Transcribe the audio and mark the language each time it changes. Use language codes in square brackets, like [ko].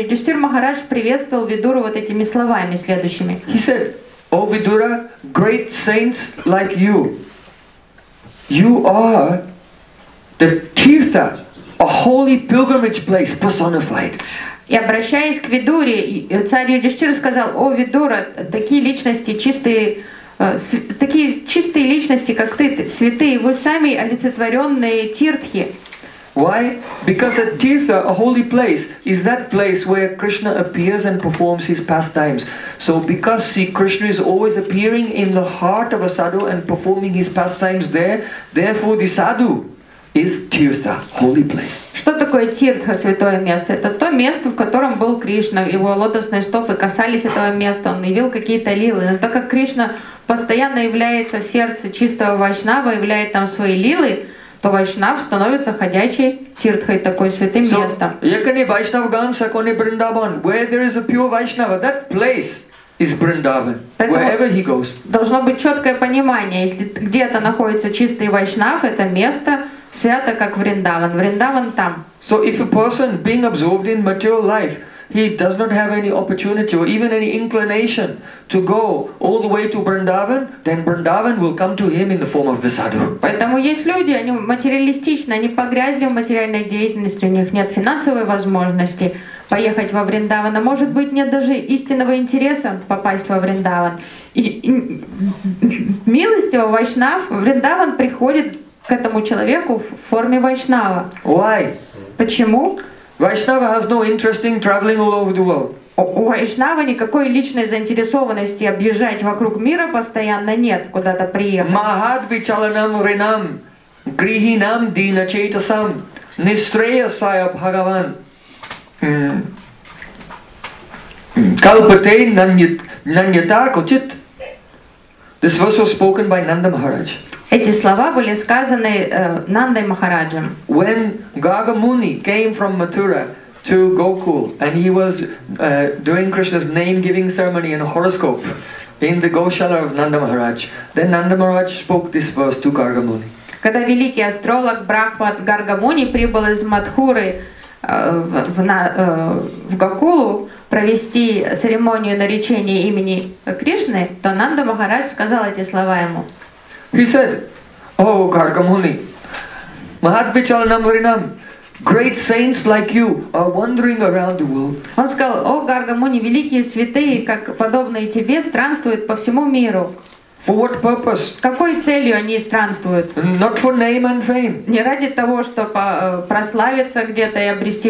[ru] Юдхиштхира Махарадж приветствовал Видуру вот этими словами следующими. [en] He said, "O Vidura, great saints like you, you are the Tirtha, a holy pilgrimage place personified." [ru] И обращаясь к Видуре, царь Юдхиштхира сказал: "О Видура, такие личности чистые, такие чистые личности, как ты, святые, вы сами олицетворенные тиртхи." [en] Why? Because a tirtha, a holy place, is that place where Krishna appears and performs his pastimes. So because, see, Krishna is always appearing in the heart of a sadhu and performing his pastimes there, therefore the sadhu is tirtha, holy place. [ru] Что такое тиртха, святое место? Это то место, в котором был Кришна. Его лотосные стопы касались этого места, он явил какие-то лилы. Но так как Кришна постоянно является в сердце чистого вайшнава, являет там свои лилы, то вайшнав становится ходячей тиртхой, такой святым местом. [bn] Якони вайшнав ган саконе бриндаван. [en] Where there is a pure vaishnava, that place is Vrindavan, wherever he goes. [ru] Должно быть четкое понимание, если где-то находится чистый вайшнав, это место свято, как Вриндаван. Вриндаван там. [en] So if a person being absorbed in material life, he does not have any opportunity or even any inclination to go all the way to Vrindavan, then Vrindavan will come to him in the form of the sadhu. [ru] Поэтому есть люди, они материалистичны, они погрязли в материальной деятельности, у них нет финансовой возможности поехать во Вриндаван, а может быть нет даже истинного интереса попасть во Вриндаван. И милостиво вайшнав, Вриндаван приходит к этому человеку в форме вайшнава. [en] Why? [ru] Почему? [en] Vaishnava has no interest in traveling all over the world. [ru] У вайшнава никакой личной заинтересованности объезжать вокруг мира постоянно нет, куда-то приехать. [sa] Mahadvichalanam rinam grihinam dina chetasam nisreyasaya bhagavan kalpate nanyata kuchit. [en] This verse was spoken by Nanda Maharaj. [ru] Эти слова были сказаны Нандой Махараджем. [en] When Gaga Muni came from Mathura to Gokul and he was doing Krishna's name-giving ceremony and horoscope in the Goshala of Nanda Maharaj, then Nanda Maharaj spoke this verse to Gaga Muni. [ru] Когда великий астролог Брахмат Гарга Муни прибыл из Матхуры в Гокулу провести церемонию наречения имени Кришны, то Нанда Махарадж сказал эти слова ему. [en] He said, "Oh, Gargamuni, [sa] Mahadvichalanam Rinam, [en] great saints like you are wandering around the world." [ru] Он сказал: "О, Гаргамуни, великие святые, как подобные тебе, странствуют по всему миру." [en] For what purpose? [ru] С какой целью они странствуют? [en] Not for name and fame. [ru] Не ради того, чтобы прославиться где-то и обрести